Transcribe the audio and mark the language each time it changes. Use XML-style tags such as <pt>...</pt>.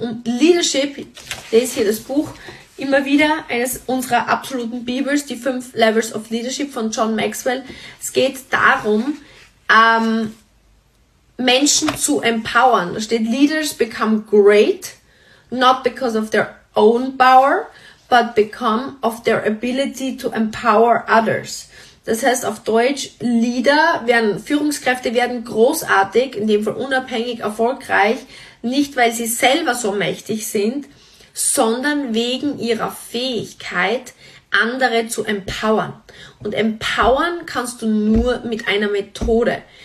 <de>Und Leadership, das ist hier das Buch, immer wieder eines unserer absoluten Bibels, die 5 Levels of Leadership von John Maxwell. Es geht darum, Menschen zu empowern. Da steht,</de> <en>Leaders become great, not because of their own power, but become of their ability to empower others.</en> <de>Das heißt auf Deutsch, Führungskräfte werden großartig, in dem Fall unabhängig, erfolgreich, nicht weil sie selber so mächtig sind, sondern wegen ihrer Fähigkeit, andere zu empowern. Und empowern kannst du nur mit einer Methode.</de>